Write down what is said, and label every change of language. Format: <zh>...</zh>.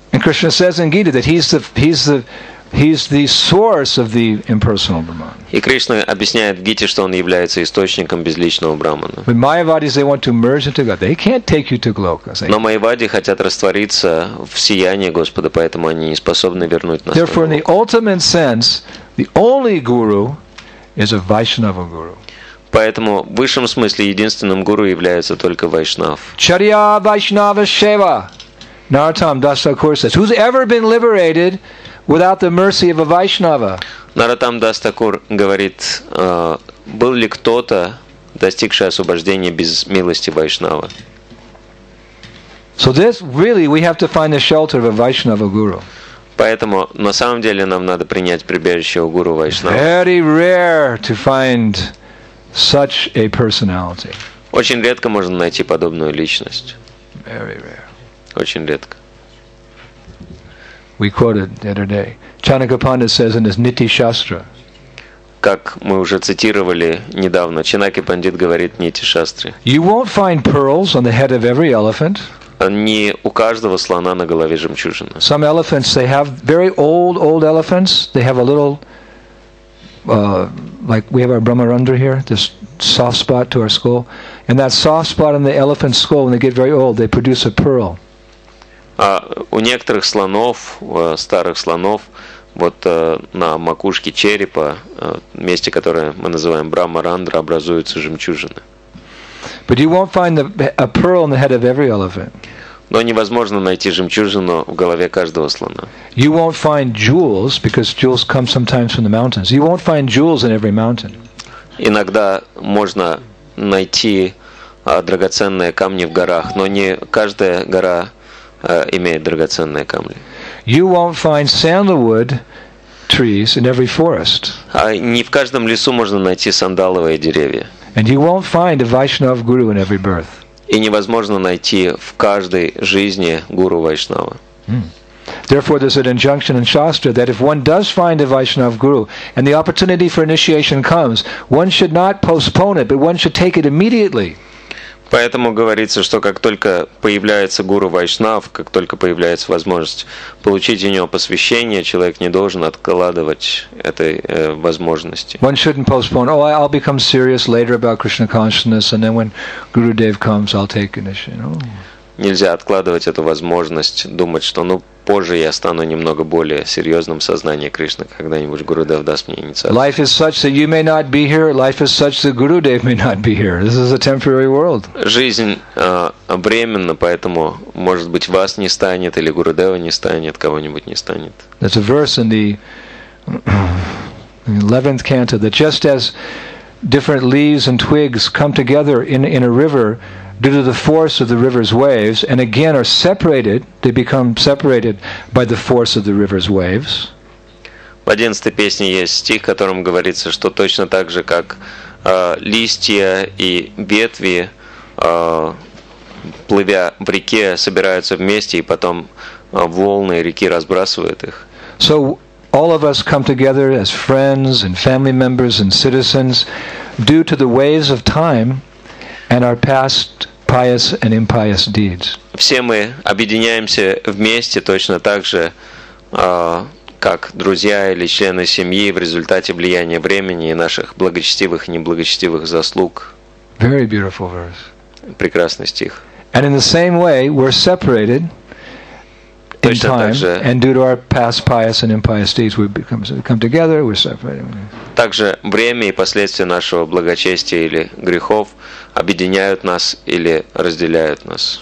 <en>And Krishna says in Gita that he's the source of the impersonal Brahman.</en> <ru>И Кришна объясняет в Гите, что он является источником безличного Брахмана.</ru> <en>But Mayavadis, they want to merge into God. They can't take you to Goloka.</en> <ru>Но Майявади хотят раствориться в сиянии Господа, поэтому они не способны вернуть нас.</ru> <en>Therefore, in the ultimate sense, the only guru is a Vaishnava guru.</en> <ru>Поэтому в высшем смысле единственным гуру является только вайшнав.</ru> <sa>Чарья вайшнава шева.</sa> <en>Наратам Даса Кур says, who's ever been liberated without the mercy of a Vaishnava?</en> <ru>Наратам Даса Кур говорит, был ли кто-то, достигший освобождения без милости Вайшнава.</ru> <en>So this really we have to find the shelter of a Vaishnava guru.</en> <ru>Поэтому на самом деле нам надо принять прибежище у гуру Вайшнава.</ru> <en>Very rare to find such a personality.</en> <ru>Очень редко можно найти подобную личность.</ru> <en>Very rare.</en> <ru>Очень редко.</ru> <en>We quoted the other day. Chanaka Panda says in his Niti Shastra.</en> <ru>Как мы уже цитировали недавно, Чинаки Пандит говорит в Нити Шастре.</ru> <en>You won't find pearls on the head of every elephant.</en> <ru>Не у каждого слона на голове жемчужина.</ru> <en>Some elephants, they have very old elephants. They have a little, like we have our Brahmarandra here, this soft spot to our skull. And that soft spot on the elephant's skull, when they get very old, they produce a pearl.</en> <ru>А у некоторых слонов, старых слонов, вот на макушке черепа, месте, которое мы называем Брахмарандра, образуются жемчужины.</ru> <en>But you won't find a pearl on the head of every elephant.</en> <ru>Но невозможно найти жемчужину в голове каждого слона.</ru> <en>You won't find jewels because jewels come sometimes from the mountains. You won't find jewels in every mountain.</en> <ru>Иногда можно найти драгоценные камни в горах, но не каждая гора имеет драгоценные камни.</ru> <en>You won't find sandalwood trees in every forest.</en> <ru>А не в каждом лесу можно найти сандаловые деревья.</ru> <en>And you won't find a Vaishnav guru in every birth.</en> <ru>И невозможно найти в каждой жизни гуру Вайшнава.</ru> <en>Therefore, there's an injunction in Shastra that if one does find a Vaishnav guru and the opportunity for initiation comes, one should not postpone it, but one should take it immediately.</en> <ru>Поэтому говорится, что как только появляется гуру Вайшнав, как только появляется возможность получить у него посвящение, человек не должен откладывать этой возможности.</ru> <en>One shouldn't postpone. Oh, I'll become serious later about Krishna consciousness, and then when Guru Dev comes, I'll take initiation. Oh.</en> <ru>Нельзя откладывать эту возможность, думать, что, ну, позже я стану немного более серьезным в сознании Кришны, когда-нибудь Гуру Дев даст мне инициацию.</ru> <en>Life is such that you may not be here. Life is such that Guru Dev may not be here. This is a temporary world.</en> <ru>Жизнь временна, поэтому, может быть, вас не станет или Гуру Дева не станет, кого-нибудь не станет.</ru> <en>There's a verse in the 11th canto that just as different leaves and twigs come together in a river. Due to the force of the river's waves, and again are separated, they become separated by the force of the river's waves.</en> <ru>В 11-й песне есть стих, в котором говорится, что точно так же, как листья и ветви, плывя в реке, собираются вместе, и потом волны реки разбрасывают их.</ru> <en>So all of us come together as friends and family members and citizens due to the waves of time and our past pious and impious deeds.</en> <ru>Все мы объединяемся вместе точно так же, как друзья или члены семьи в результате влияния времени и наших благочестивых и неблагочестивых заслуг.</ru> <en>Very beautiful verse.</en> <ru>Прекрасный стих.</ru> <en>And in the same way, we're separated in time, and due to our past pious and impious deeds, we come together. We're separated.</en> <ru>Также время и последствия нашего благочестия или грехов объединяют нас или разделяют нас.</ru>